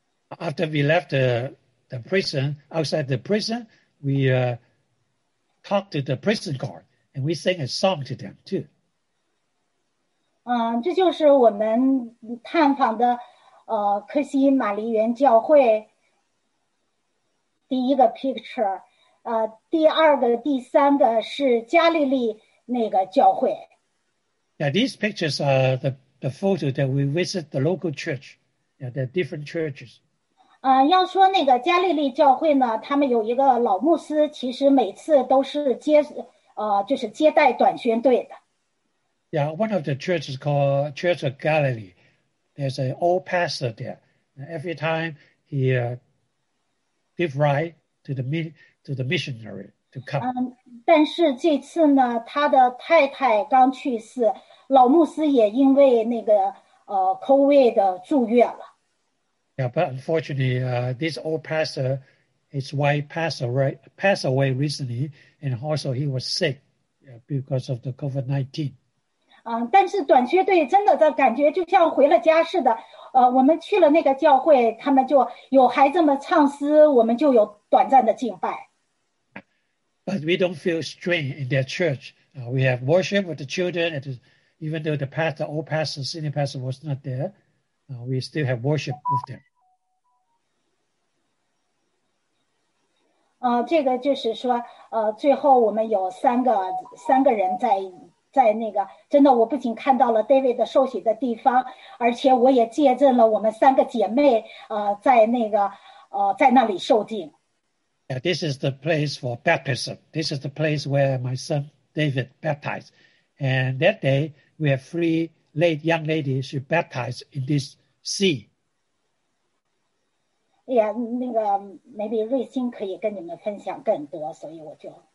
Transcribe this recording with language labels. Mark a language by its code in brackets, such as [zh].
[en] After we left the prison, outside the prison, we talked to the prison guard and we sang a song to them too. [zh] 这就是我们探访的科西玛丽园教会。第一个 picture, 第二个、第三个是加利利那个教会。 [en] Yeah, these pictures are the photo that we visit the local church. Yeah, the different churches. [zh] 要说那个加利利教会呢，他们有一个老牧师，其实每次都是就是接待短宣队的。 [en] Yeah, one of the churches called Church of Galilee. There's an old pastor there. Every time he give right to the missionary to come. [zh] 但是这次呢，他的太太刚去世，老牧师也因为那个COVID 住院了。 [en] Yeah, but unfortunately, this old pastor, his wife passed away recently, and also he was sick because of the COVID-19. [zh] 但是短靴队真的感觉就像回了家似的。我们去了那个教会，他们就有孩子们唱诗，我们就有短暂的敬拜。 [en] But we don't feel strange in their church. We have worship with the children, and even though the pastor, old pastor, senior pastor was not there, We still have worship with them. [zh] 这个就是说，最后我们有三个人在那个，真的，我不仅看到了 David 的受洗的地方，而且我也见证了我们三个姐妹在那里受浸。Yeah, [en] this is the place for baptism. This is the place where my son David baptized. And that day, we have three late young ladies who baptized in this sea. [zh] Yeah, 那个, maybe 瑞欣可以跟你们分享更多，所以我就。